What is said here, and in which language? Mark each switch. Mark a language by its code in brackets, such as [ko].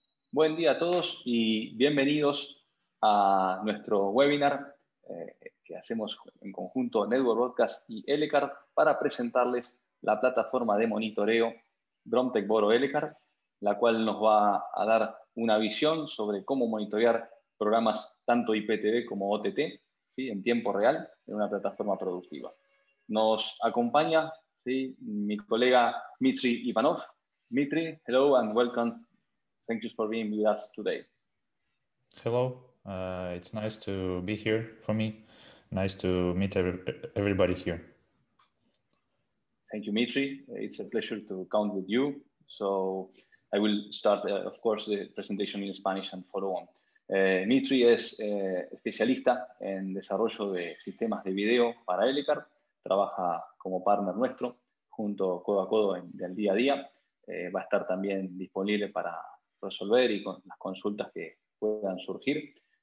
[es] Buen día a todos y bienvenidos a nuestro webinar que hacemos en conjunto Network Broadcast y Elecar para presentarles la plataforma de monitoreo DromTech Boro Elecar, la cual nos va a dar una visión sobre cómo monitorear programas tanto IPTV como OTT, ¿sí?, en tiempo real en una plataforma productiva. Nos acompaña, ¿sí?, mi colega Mitri Ivanov. [en] Mitri, hello and welcome. Thank you for being with us today. Hello, it's nice to be here for me. Nice to meet everybody here. Thank you, Mitri. It's a pleasure to count with you. So I will start, of course, the presentation in Spanish and follow on. [es] Mitri es especialista en desarrollo de sistemas de video para Elecar. Trabaja como partner nuestro junto codo a codo del día a día. Va a estar también disponible para resolver y con las consultas que puedan surgir.